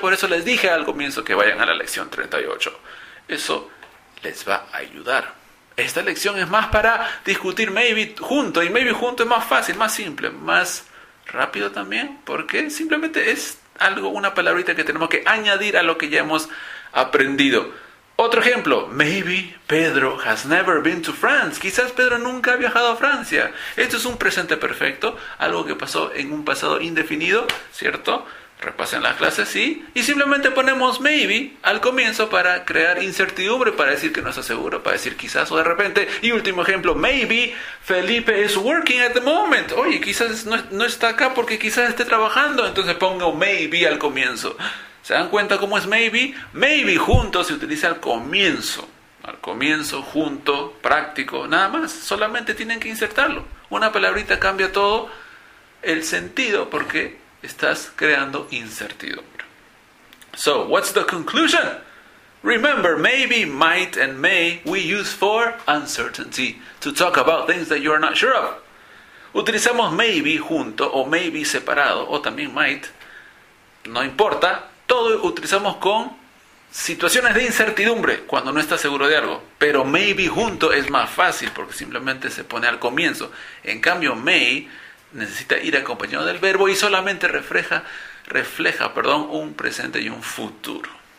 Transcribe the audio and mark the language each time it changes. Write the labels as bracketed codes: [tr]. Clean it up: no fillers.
[es] Por eso les dije al comienzo que vayan a la lección 38. Eso les va a ayudar. Esta lección es más para discutir maybe junto. Y maybe junto es más fácil, más simple, más rápido también, porque simplemente es algo, una palabrita que tenemos que añadir a lo que ya hemos aprendido. [en] Otro ejemplo, maybe Pedro has never been to France. [es] Quizás Pedro nunca ha viajado a Francia. Esto es un presente perfecto, algo que pasó en un pasado indefinido, ¿cierto? Repasen las clases, sí. Y simplemente ponemos maybe al comienzo para crear incertidumbre, para decir que no está seguro, para decir quizás o de repente. [en] Y último ejemplo, maybe Felipe is working at the moment. [es] Oye, quizás no está acá porque quizás esté trabajando. Entonces pongo maybe al comienzo. ¿Se dan cuenta cómo es maybe? Maybe junto se utiliza al comienzo. Al comienzo, junto, práctico, nada más. Solamente tienen que insertarlo. Una palabrita cambia todo el sentido porque estás creando incertidumbre. [en] So, what's the conclusion? Remember, maybe, might, and may we use for uncertainty to talk about things that you are not sure of. [es] Utilizamos maybe junto o maybe separado o también might. No importa. Todo utilizamos con situaciones de incertidumbre cuando no estás seguro de algo. Pero maybe junto es más fácil porque simplemente se pone al comienzo. En cambio, may necesita ir acompañado del verbo y solamente refleja, un presente y un futuro.